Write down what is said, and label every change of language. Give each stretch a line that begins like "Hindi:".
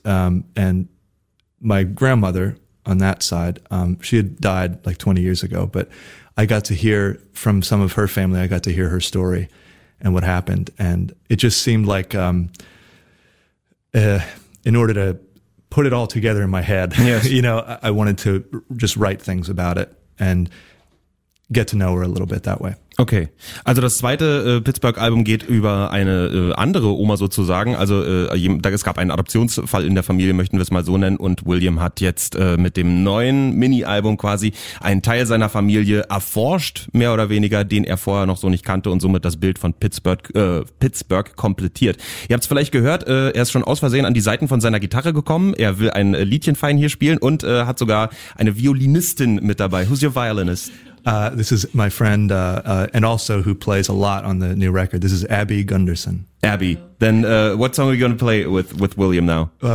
English: And my grandmother on that side, she had died like 20 years ago, but I got to hear from some of her family. I got to hear her story and what happened. And it just seemed like, in order to put it all together in my head, yes. You know, I wanted to just write things about it and get to know her a little bit that way. Okay.
German: Also das zweite Pittsburgh-Album geht über eine andere Oma sozusagen. Also es gab einen Adoptionsfall in der Familie, möchten wir es mal so nennen. Und William hat jetzt mit dem neuen Mini-Album quasi einen Teil seiner Familie erforscht, mehr oder weniger, den er vorher noch so nicht kannte und somit das Bild von Pittsburgh komplettiert. Ihr habt es vielleicht gehört, er ist schon aus Versehen an die Seiten von seiner Gitarre gekommen. Er will ein Liedchen fein hier spielen und hat sogar eine Violinistin mit dabei.
English: Who's your violinist? This is my friend, and also who plays a lot on the new record. This is Abby Gunderson. Abby, then what song are you going to play with William now?